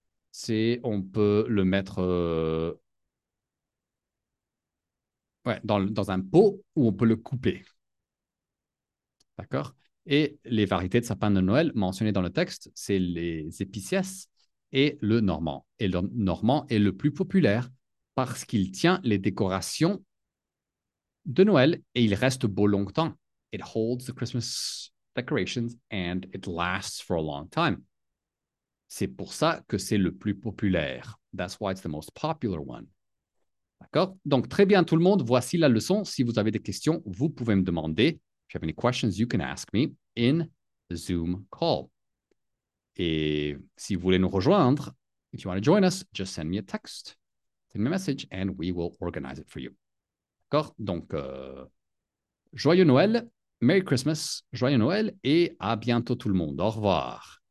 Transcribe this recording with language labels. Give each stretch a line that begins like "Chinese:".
French: c'est on peut le mettre ouais, dans un pot ou on peut le couper. D'accord? Et les variétés de sapin de Noël mentionnées dans le texte, c'est les épicéas et le normand. Et le normand est le plus populaire parce qu'il tient les décorations de Noël et il reste beau longtemps.
English: It holds the Christmas decorations and it lasts for a long time.
French: C'est pour ça que c'est le plus populaire.
English: That's why it's the most popular one.
French: D'accord? Donc, très bien tout le monde, voici la leçon. Si vous avez des questions, vous pouvez me demander.
English: If you have any questions, you can ask me in the Zoom call.
French: Et si vous voulez nous rejoindre,
English: if you want to join us, just send me a text. Send me a message and we will organize it for you.
French: D'accord? Donc, joyeux Noël,
English: Merry Christmas,
French: joyeux Noël et à bientôt tout le monde. Au revoir.